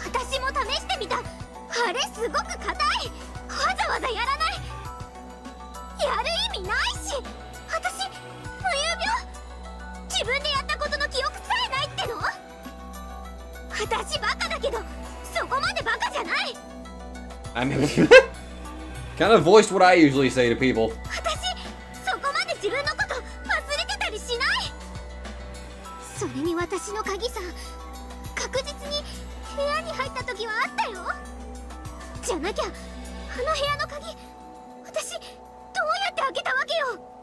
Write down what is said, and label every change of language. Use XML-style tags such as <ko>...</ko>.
<ja>私も試してみた。あれすごく硬い。わざわざやらない。やる意味ないし。私、無遊病。自分でやったことの記憶さえないっての？私バカだけど、そこまでバカじゃない。</ja> <en>I mean, kind of voiced what I usually say to people.</en> <ja>私、そこまで自分のこと忘れてたりしない。それに私の鍵さ、確実に部屋に入った時はあったよ。じゃなきゃあの部屋の鍵、私どうやって開けたわけよ。</ja>